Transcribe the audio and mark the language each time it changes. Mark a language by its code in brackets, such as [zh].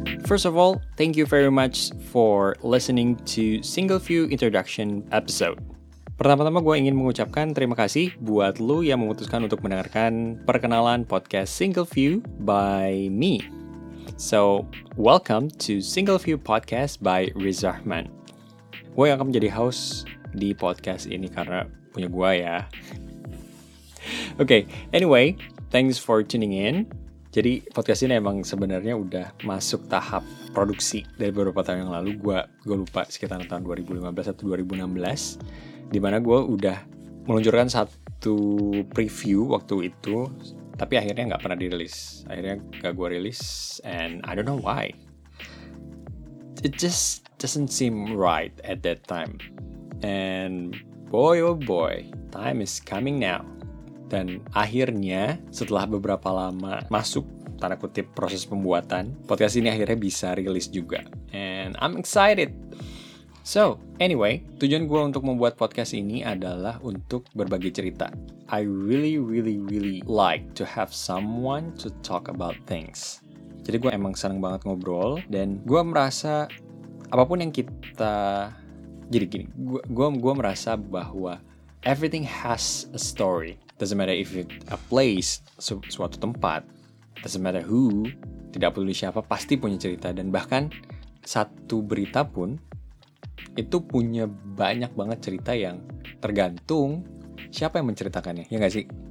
[en] First of all, thank you very much for listening to Single View Introduction episode. [id] Pertama-tama gue ingin mengucapkan terima kasih buat lo yang memutuskan untuk mendengarkan perkenalan podcast Single View by me. [en] So, welcome to Single View Podcast by Riz Ahmad. [id] Gue akan menjadi host di podcast ini karena punya gue ya. [en] Okay, anyway, thanks for tuning in. [id] Jadi podcast ini emang sebenarnya udah masuk tahap produksi dari beberapa tahun yang lalu. Gue lupa sekitar tahun 2015 atau 2016, di mana gue udah meluncurkan satu preview waktu itu, tapi akhirnya nggak pernah dirilis. Akhirnya gak gue rilis, [en] and I don't know why. It just doesn't seem right at that time. And boy oh boy, time is coming now. [id] Dan akhirnya setelah beberapa lama masuk, tanda kutip, proses pembuatan, podcast ini akhirnya bisa rilis juga. [en] And I'm excited. So, anyway, [id] tujuan gue untuk membuat podcast ini adalah untuk berbagi cerita. [en] I really, really, really like to have someone to talk about things. [id] Jadi gue emang seneng banget ngobrol, dan gue merasa apapun yang kita... Jadi gini, gue merasa bahwa [en] everything has a story. Doesn't matter if it's a place, [id] suatu tempat. [en] Doesn't matter who, [id] tidak peduli siapa, pasti punya cerita. Dan bahkan satu berita pun, itu punya banyak banget cerita yang tergantung siapa yang menceritakannya, ya gak sih?